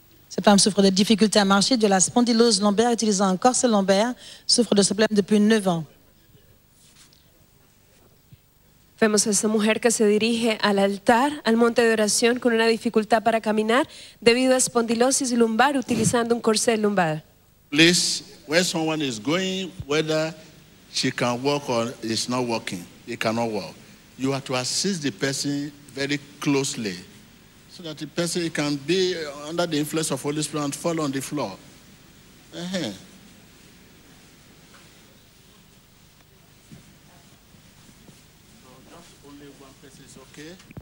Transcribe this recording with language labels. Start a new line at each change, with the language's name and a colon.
French: Cette femme souffre de difficultés à marcher, de la spondylose lombaire utilisant un corset lombaire, souffre de ce problème depuis 9 ans.
Spanish: Vemos a esta mujer que se dirige al altar, al monte de oración, con una dificultad para caminar debido a espondilosis lumbar utilizando un corset lumbar.
English: Please, where someone is going, whether she can walk or is not walking, they cannot walk. You have to assist the person very closely. So that the person can be under the influence of Holy Spirit and fall on the floor. So just only one person is okay.